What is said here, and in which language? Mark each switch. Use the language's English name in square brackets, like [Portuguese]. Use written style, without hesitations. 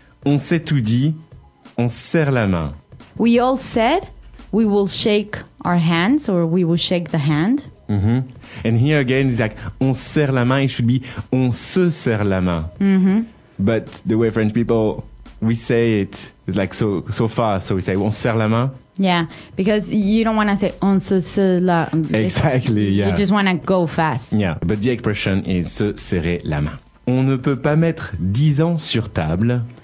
[French] On s'est tout dit, on serre la main. [English] We all said we will shake our hands or we will shake the hand. Mm-hmm. And here again, it's like, [French] on serre la main, [English] it should be, [French] on se serre la main. [English] Mm-hmm. But the way French people, we say it, it's like so fast, so we say, [French] on serre la main. [English] Yeah, because you don't want to say [French] on se serre la main. [English] Exactly, yeah. You just want to go fast. Yeah, but the expression is [French] se serrer la main. On ne peut pas mettre 10 ans sur table.